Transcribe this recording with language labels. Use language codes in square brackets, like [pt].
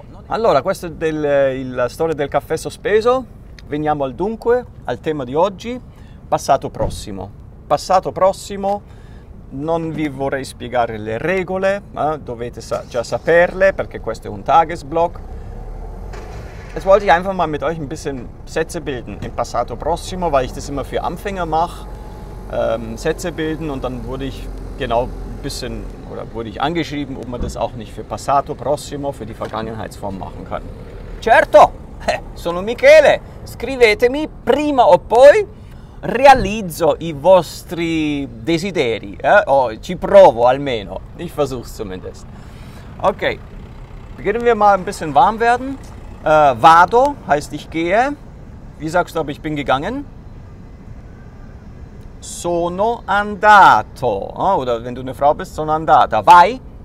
[it] Allora, questa è la storia del caffè sospeso. Veniamo al dunque, al tema di oggi. Passato prossimo. Passato prossimo, non vi vorrei spiegare le regole, dovete già saperle, perché questo è un Tagesblock. [de] Jetzt wollte ich einfach mal mit euch ein bisschen Sätze bilden im passato prossimo, weil ich das immer für Anfänger mache. Sätze bilden und dann wurde ich angeschrieben, ob man das auch nicht für passato prossimo, für die Vergangenheitsform machen kann. [it] Certo, sono Michele, scrivetemi, prima o poi realizzo i vostri desideri, ci provo almeno, [de] ich versuch's zumindest. Okay, beginnen wir mal ein bisschen warm werden. [it] Vado [de] heißt ich gehe. Wie sagst du, ob ich bin gegangen? [it] Sono andato, [de] oder wenn du eine Frau bist, [it] sono andata. Vai.